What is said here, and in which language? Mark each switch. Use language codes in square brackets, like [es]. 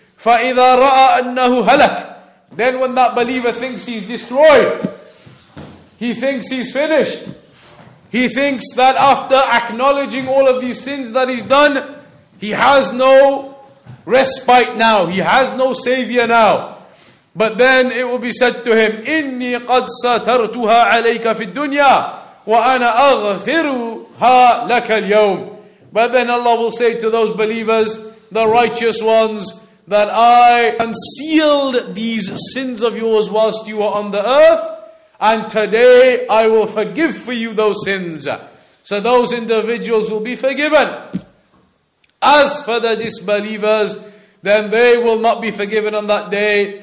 [ar] فَإِذَا رَأَى أَنَّهُ هَلَكَ, [en] then when that believer thinks he's destroyed, he thinks he's finished, he thinks that after acknowledging all of these sins that he's done, he has no respite now, he has no savior now. But then it will be said to him, [ar] إِنِّي قَدْ سَتَرْتُهَا عَلَيْكَ فِي الدُّنْيَا وَأَنَا أَغْفِرُهَا لَكَ الْيَوْمِ. [en] But then Allah will say to those believers, the righteous ones, that I concealed these sins of yours whilst you were on the earth, and today I will forgive for you those sins. So those individuals will be forgiven. As for the disbelievers, then they will not be forgiven on that day.